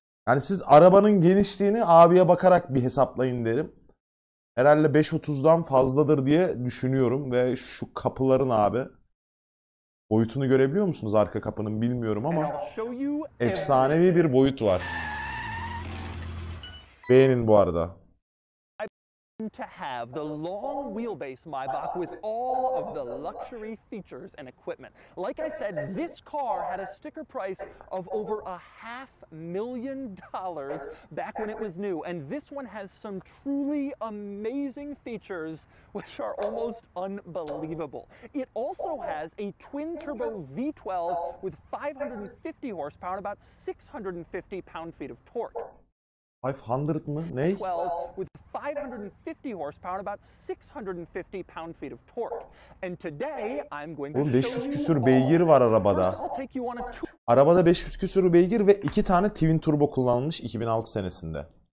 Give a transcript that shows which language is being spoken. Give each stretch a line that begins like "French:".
Turkish: Yani siz arabanın genişliğini abiye bakarak bir hesaplayın derim. Herhalde 5.30'dan fazladır diye düşünüyorum. Ve şu kapıların abi boyutunu görebiliyor musunuz? Arka kapının bilmiyorum ama efsanevi bir boyut var. Beğenin bu arada.
English: To have the long wheelbase Maybach with all of the luxury features and equipment. Like I said, this car had a sticker price of over $500,000 back when it was new, and this one has some truly amazing features which are almost unbelievable. It also has a twin turbo V12 with 550 horsepower and about 650 pound-feet of torque.
Turkish: 500 mı? Ney?
English: 12 with 550 horsepower and about 650 pound-feet of torque. And today I'm going to
Turkish: Oğlum 500
English: show
Turkish: küsür beygir var arabada. Arabada 500 küsür beygir ve 2 tane twin turbo kullanılmış 2006 senesinde.